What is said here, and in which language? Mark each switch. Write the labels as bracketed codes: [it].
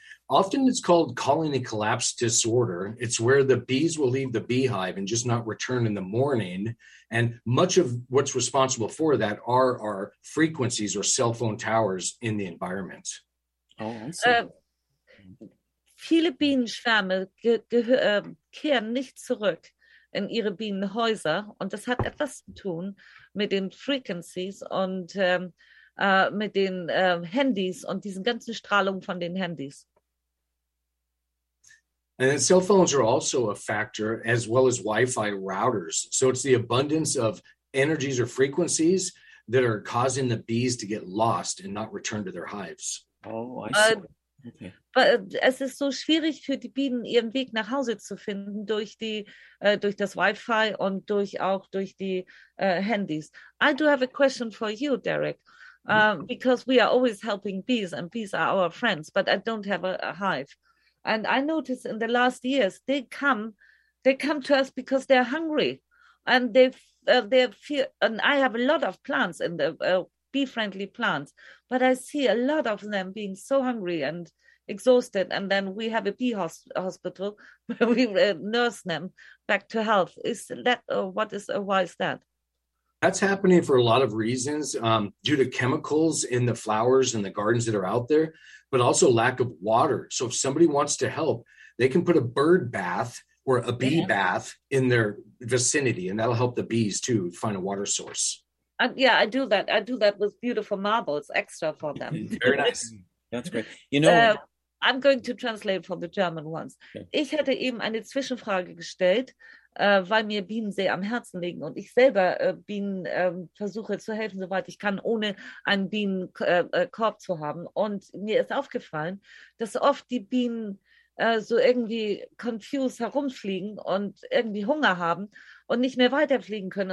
[en] Often it's called colony collapse disorder. It's where the bees will leave the beehive and just not return in the morning. And much of what's responsible for that are our frequencies or cell phone towers in the environment. Oh, I see. [de] Viele Bienenschwärme kehren nicht zurück in ihre Bienenhäuser. Und das hat etwas zu tun mit den Frequencies und mit den Handys und diesen ganzen Strahlung von den Handys. [en] And cell phones are also a factor, as well as Wi-Fi routers. So it's the abundance of energies or frequencies that are causing the bees to get lost and not return to their hives. Oh, I see. Okay. [de] Es ist so schwierig für die Bienen, ihren Weg nach Hause zu finden durch die durch das Wi-Fi und durch auch durch die Handys. [en] I do have a question for you, Derek, because we are always helping bees and bees are our friends, but I don't have a hive. And I noticed in the last years, they come to us because they're hungry and they feel, and I have a lot of plants in the bee-friendly plants, but I see a lot of them being so hungry and exhausted. And then we have a bee hospital where we nurse them back to health. Is that, what is, why is that? That's happening for a lot of reasons, due to chemicals in the flowers and the gardens that are out there, but also lack of water. So if somebody wants to help, they can put a bird bath or a bee bath in their vicinity, and that'll help the bees to find a water source. Yeah, I do that. I do that with beautiful marbles extra for them. Very nice. That's great. You know, I'm going to translate from the German ones. Okay. [de] Ich hatte eben eine Zwischenfrage gestellt, weil mir Bienen sehr am Herzen liegen und ich selber Bienen versuche zu helfen, soweit ich kann, ohne einen Bienenkorb zu haben. Und mir ist aufgefallen, dass oft die Bienen so irgendwie confused herumfliegen und irgendwie Hunger haben und nicht mehr weiterfliegen können.